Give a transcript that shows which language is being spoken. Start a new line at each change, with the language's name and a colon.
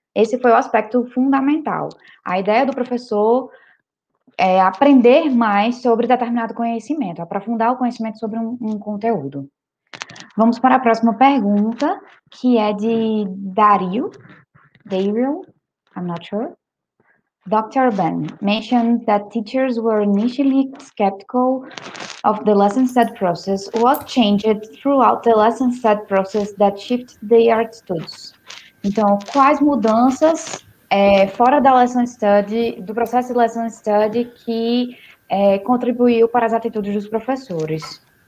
Portuguese: Esse foi o aspecto fundamental. A ideia do professor é aprender mais sobre determinado conhecimento, aprofundar o conhecimento sobre um conteúdo. Vamos para a próxima pergunta, que é de Dario.
English: Dario, I'm not sure. Dr. Ben mentioned that teachers were initially skeptical of the lesson study process. What changed throughout the lesson study process that shifted their attitudes?
Portuguese: Então, quais mudanças fora da lesson study, do processo de lesson study, que contribuiu para as atitudes dos professores?